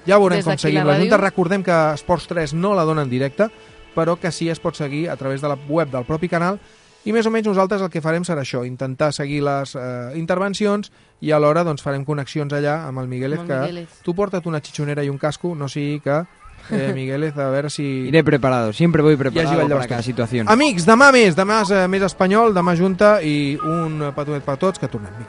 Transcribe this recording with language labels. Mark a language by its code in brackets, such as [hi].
[ca] ja veurem com seguim la Junta. Recordem que Esports 3 no la dona en directe, però que sí es pot seguir a través de la web del propi canal. I més o menys nosaltres el que farem serà això, intentar seguir les intervencions i alhora doncs farem connexions allà amb el Miguelet, que tu porta't una xixonera i un casco, no sigui que Miguelet, a veure si... [es] Iré preparado, siempre voy preparado para cada situación. [ca] Amics, demà més espanyol, demà junta i un petonet per tots, que tornem. Vinga.